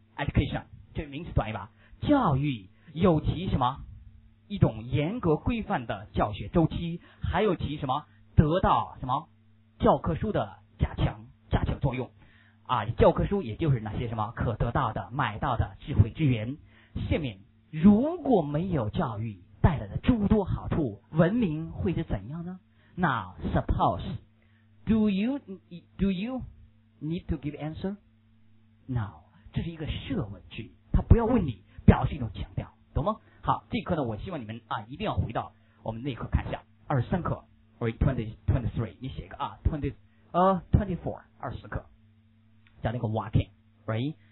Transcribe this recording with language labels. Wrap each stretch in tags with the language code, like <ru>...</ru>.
<zh>education 这名词短一把，教育有其什么一种严格规范的教学周期，还有其什么得到什么教科书的加强作用啊，教科书也就是那些什么可得到的买到的智慧之源。下面如果没有教育带来的诸多好处，文明会是怎样呢？</zh> <en>那 suppose do you need to give answer?</en> <zh>No, 这是一个设问句，他不要问你，表示一种强调，懂吗？好，这一课呢我希望你们啊一定要回到我们那一课看一下，二十三课 23, 你写一个啊 24, 24课讲那个 walking, right?</zh>